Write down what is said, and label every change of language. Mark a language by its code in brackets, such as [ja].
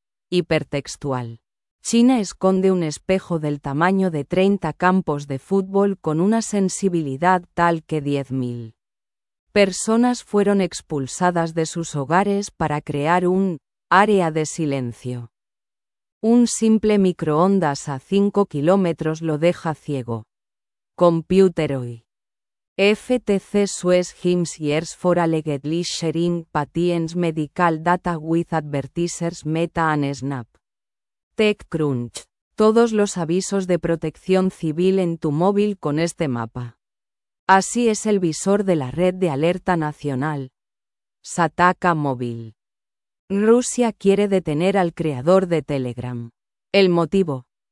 [es] Hipertextual. China esconde un espejo del tamaño de 30 campos de fútbol con una sensibilidad tal que 10.000 personas fueron expulsadas de sus hogares para crear un área de silencio. Un simple microondas a 5 kilómetros lo deja ciego. Computer hoy. [en] FTC Suez Hims Years for Allegedly Sharing Patients Medical Data with Advertisers Meta and Snap. TechCrunch. [es] Todos los avisos de protección civil en tu móvil con este mapa. Así es el visor de la red de alerta nacional. Sataka Móvil. Rusia quiere detener al creador de Telegram. ¿El motivo?